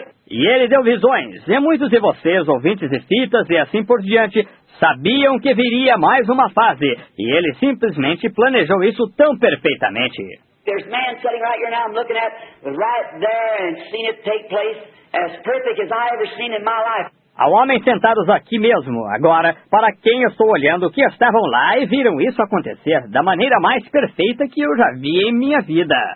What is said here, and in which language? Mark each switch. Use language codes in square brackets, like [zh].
[pt] E ele deu visões, e muitos de vocês, ouvintes e fitas e assim por diante, sabiam que viria mais uma fase, e ele simplesmente planejou isso tão perfeitamente. [en] There's man sitting right here now I'm looking at right there and seen it take place as perfect as I ever seen in my life. [pt] Há homens sentados aqui mesmo, agora, para quem eu estou olhando, que estavam lá e viram isso acontecer da maneira mais perfeita que eu já vi em minha vida.